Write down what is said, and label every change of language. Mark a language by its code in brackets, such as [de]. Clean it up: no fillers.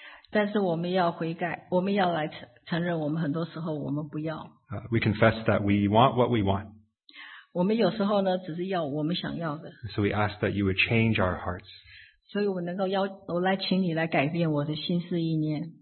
[zh] 但是我们要悔改，我们要来承认，我们很多时候我们不要。 [en] We confess that we want what we want. [zh] 我们有时候呢，只是要我们想要的。 [en] So we ask that you would change our hearts. [zh] 所以我来请你来改变我的心思意念。